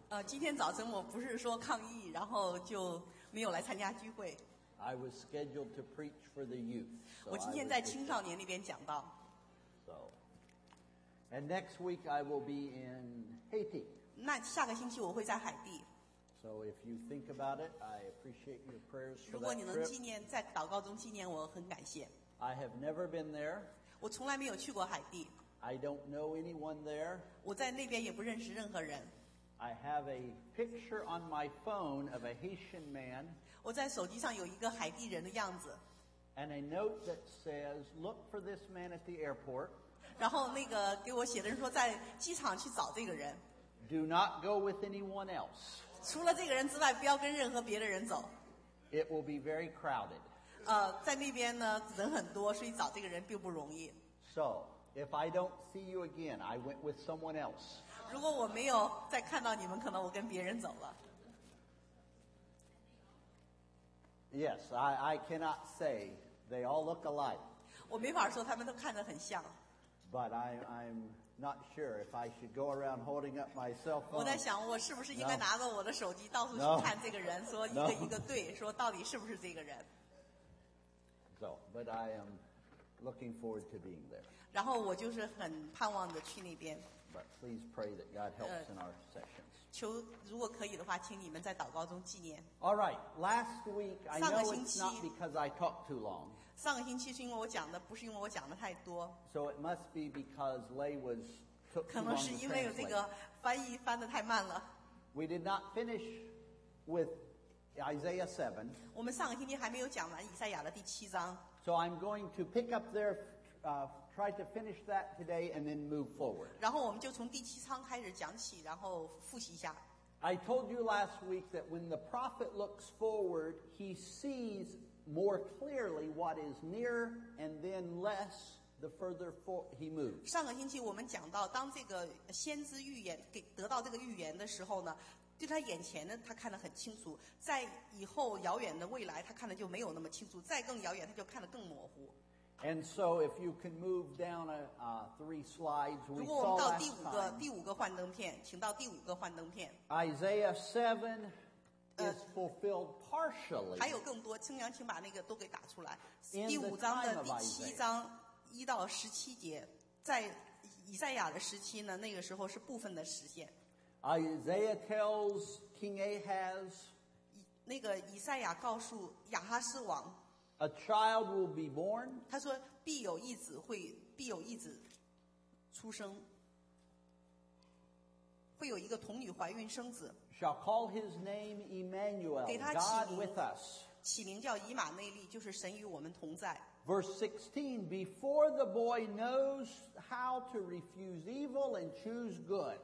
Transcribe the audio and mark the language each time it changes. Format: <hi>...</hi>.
<zh>今天早晨我不是说抗议，然后就没有来参加聚会。</zh> <en>I was scheduled to preach for the youth.</en> <zh>我今天在青少年那边讲道。</zh> <en>So, and next week I will be in Haiti.</en> <zh>那下个星期我会在海地。</zh> <en>So if you think about it, I appreciate your prayers for that trip.</en> <zh>如果你能纪念，在祷告中纪念，我很感谢。</zh> <en>I have never been there.</en> <zh>我从来没有去过海地。</zh> <en>I don't know anyone there.</en> <zh>我在那边也不认识任何人。</zh> <en>I have a picture on my phone of a Haitian man.</en> <zh>我在手机上有一个海地人的样子。</zh> <en>And a note that says, "Look for this man at the airport."</en> <zh>然后那个给我写的人说，在机场去找这个人。</zh> <en>Do not go with anyone else.</en> <zh>除了这个人之外，不要跟任何别的人走。</zh> <en>It will be very crowded.</en> <zh>在那边呢人很多，所以找这个人并不容易。</zh> <en>So. If I don't see you again, I went with someone else.</en> <zh>如果我没有再看到你们，可能我跟别人走了。</zh> <en>Yes, I cannot say they all look alike.</en> <zh>我没法说他们都看得很像。</zh> <en>But I'm not sure if I should go around holding up my cell phone.</en> <zh>我在想，我是不是应该拿着我的手机到处去看这个人，说一个一个对，说到底是不是这个人。</zh> <en>So, but I am. Looking forward to being there.</en> <zh>然后我就是很盼望的去那边。</zh> <en>But please pray that God helps in our sessions.</en> <zh>求如果可以的话，请你们在祷告中纪念。</zh> <en>All right. Last week, I know it's not because I talked too long.</en> <zh>上个星期是因为我讲的，不是因为我讲的太多。</zh> <en>So it must be because Lay was took too long to translate.</en> <zh>可能是因为这个翻译翻的太慢了。</zh> <en>We did not finish with Isaiah 7.</en> <zh>我们上个星期还没有讲完以赛亚的第七章。</zh> <en>So I'm going to pick up there, try to finish that today, and then move forward.</en> <zh>然后我们就从第七章开始讲起，然后复习一下。</zh> <en>I told you last week that when the prophet looks forward, he sees more clearly what is near, and then less the further he moves.</en> <zh>上个星期我们讲到，当这个先知预言给得到这个预言的时候呢，对他眼前呢，他看得很清楚，在以后遥远的未来，他看得就没有那么清楚，再更遥远，他就看得更模糊。</zh> <en>And so, if you can move down three slides, we saw last time.</en> <zh>如果我们到第五个幻灯片，请到第五个幻灯片。</zh> <en>Isaiah 7 is fulfilled partially.</en> <zh>还有更多，清扬，请把那个都给打出来。第五章的第七章一到十七节，在以赛亚的时期呢，那个时候是部分的实现。</zh> <en>Isaiah tells King Ahaz,</en> <zh>那个以赛亚告诉亚哈斯王</zh> <en>，A child will be born.</en> <zh>他说必有一子会必有一子出生，会有一个童女怀孕生子。</zh> <en>Shall call his name Emmanuel, God with us.</en> <zh>起名叫以马内利，就是神与我们同在。</zh> <en>Verse 16, before the boy knows how to refuse evil and choose good.</en>